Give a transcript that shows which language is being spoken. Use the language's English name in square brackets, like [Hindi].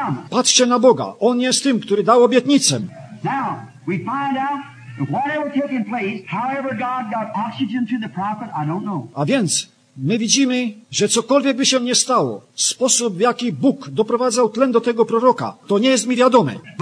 [Polish] Patrzcie na Boga. On jest tym, który dał obietnicę. [English] We find out whatever taking place, however God got oxygen to the prophet, I don't know. [Polish] A więc my widzimy, że cokolwiek by się nie stało, sposób, w jaki Bóg doprowadzał tlen do tego proroka, to nie jest mi wiadome.